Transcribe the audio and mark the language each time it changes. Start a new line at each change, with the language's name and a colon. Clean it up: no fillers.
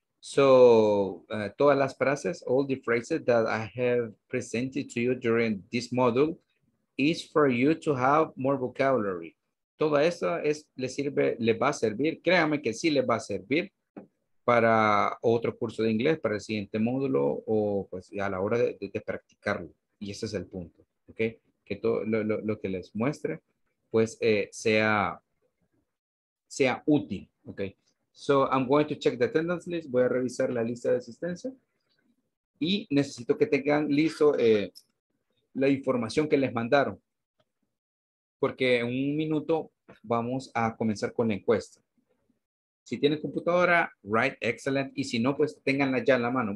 English: So,
Spanish: todas las frases,
English: all the phrases that I have presented to you during this module is for you to have more vocabulary.
Spanish: Todo eso es, le sirve, le va a servir, créame que sí le va a servir para otro curso de inglés, para el siguiente módulo o pues a la hora de practicarlo. Y ese es el punto, ¿ok? Que todo lo que les muestre, pues sea útil, ¿ok?
English: So, I'm going to check the attendance list.
Spanish: Voy a revisar la lista de asistencia. Y necesito que tengan listo la información que les mandaron. Porque en un minuto vamos a comenzar con la encuesta. Si tienen computadora,
English: right, excellent.
Spanish: Y si no, pues ténganla ya en la mano.